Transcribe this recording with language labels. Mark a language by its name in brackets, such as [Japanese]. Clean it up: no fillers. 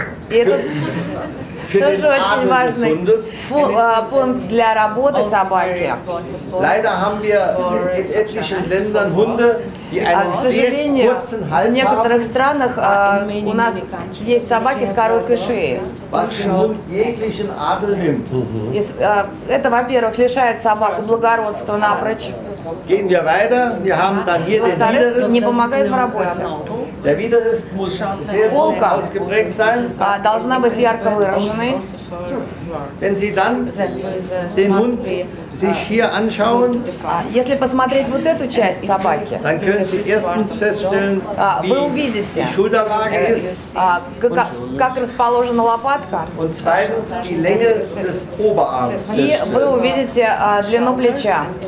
[German] den [Russian] Тоже очень важный пункт для работы собаки. [German] Leider haben wir in etlichen Ländern Hunde, die einen sehr kurzen Hals haben. [Russian] В некоторых странах у нас есть собаки с короткой шеей. [German] Was den Hund jeglichen Adel nimmt. [Russian] Это, во-первых, лишает собаку благородства напрочь. [German] Gehen wir weiter. Wir haben dann hier den Widerriss. [Russian] Не помогает в работе. [German] Der Widerriss muss sehr gut ausgeprägt sein. [Russian] Должна быть ярко выраженной. [German] Wenn Sie dann den Hund sich hier anschauen, [Russian] если посмотреть вот эту часть собаки, [German] dann können Sie erstens feststellen, wie die Schulterlage ist, [Russian] как расположена лопатка, [German] und zweitens die Länge des Oberarms. [Russian] И вы увидите длину плеча.